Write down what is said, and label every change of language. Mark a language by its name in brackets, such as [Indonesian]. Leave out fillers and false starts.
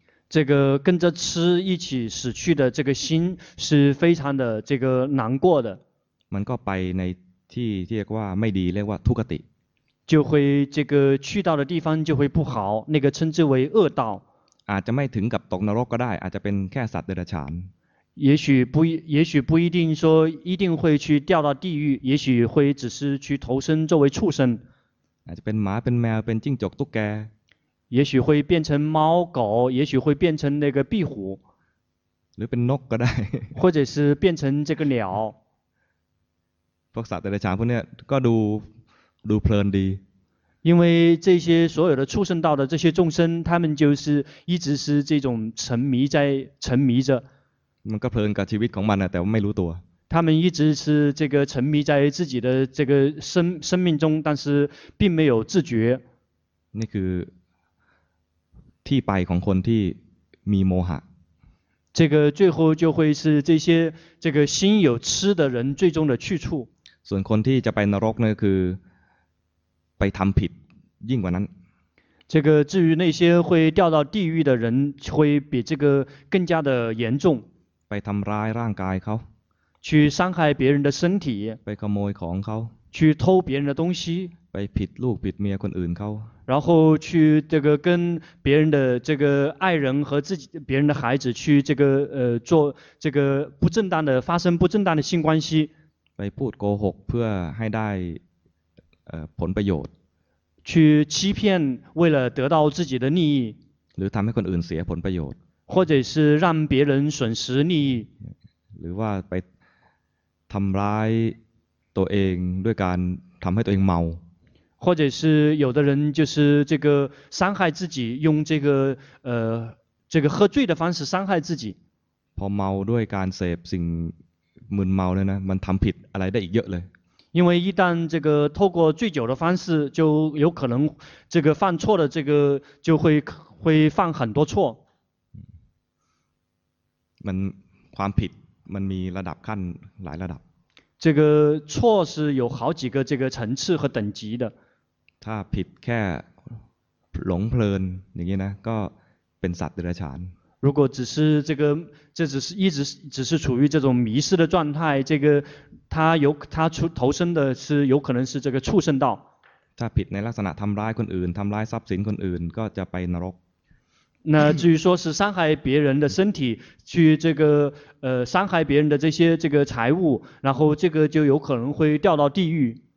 [Chinese] 这个跟着吃一起死去的这个心是非常的这个难过的 [Thai] มันก็ไปในที่เรียกว่าไม่ดีเรียกว่าทุกติ [Chinese] 就会这个去到的地方就会不好那个称之为恶道 [Thai] อาจจะไม่ถึงกับตกนรกก็ได้อาจจะเป็นแค่สัตว์เดรัจฉาน [Chinese] 也许不一定说一定会去掉到地狱，也许会只是去投生作为畜生。 [Thai] อาจจะเป็นหมาเป็นแมวเป็นจิ้งจกตุ๊กแก [Chinese] 也许会变成猫狗，也许会变成那个壁虎。 [Thai] หรือเป็นนกก็ได้ [Chinese] 或者是变成这个鸟。 [Thai] พวกสัตว์แต่ละชนิดพวกนี้ก็ดูเพลินดี [Chinese] 因为这些所有的畜生道的这些众生，他们就是一直是这种沉迷着。 [Thai] มันก็เพลินกับชีวิตของมันนะแต่ว่าไม่รู้ตัว [Chinese] 他们一直是这个沉迷在自己的这个生命中，但是并没有自觉。 [Thai] นี่คือที่ไปของคนที่มีโมหะ [Chinese] 这个最后就会是这些这个心有痴的人最终的去处。 [Thai] ส่วนคนที่จะไปนรกเนี่ยคือไปทำผิดยิ่งกว่านั้น [Chinese] 这个至于那些会掉到地狱的人会比这个更加的严重 [Thai] ไปทำร้ายร่างกายเขา [Chinese] 去伤害别人的身体 [Thai] ไปขโมยของเขา [Chinese] 去偷别人的东西 [Thai] ไปผิดลูกผิดเมียคนอื่นเขา [Chinese] 然后去这个跟别人的这个爱人和自己别人的孩子去这个做这个不正当的发生不正当的性关系 [Thai] ไปพูดโกหกเพื่อให้ได้ผลประโยชน์ [Chinese] 去欺骗为了得到自己的利益 [Thai] หรือทำให้คนอื่นเสียผลประโยชน์ [Chinese] 或者是让别人损失利益 [Thai] หรือว่าไปทำร้ายตัวเองด้วยการทำให้ตัวเองเมา [Chinese] 或者是有的人就是这个伤害自己用这个这个喝醉的方式伤害自己 [Thai] พอเมาด้วยการเสพสิ่งมึนเมาเนี่ยนะมันทำผิดอะไรได้อีกเยอะเลย [Chinese] 因为一旦这个透过醉酒的方式，就有可能这个犯错的这个就会犯很多错。 [Thai] มันความผิดมันมีระดับขั้นหลายระดับ [Chinese] 这个错是有好几个这个层次和等级的。 [Thai] ถ้าผิดแค่หลงเพลินอย่างนี้นะก็เป็นสัตว์เดรัจฉาน [Chinese] 如果只是这个，这只是一直只是处于这种迷失的状态，这个他出投生的是有可能是这个畜生道。他 [Thai] ผิดในลักษณะทำร้ายคนอื่น ทำร้ายทรัพย์สินคนอื่น ก็จะไปนรก。 [Chinese] 那至于说是伤害别人的身体，去这个伤害别人的这些这个财物，然后这个就有可能会掉到地狱。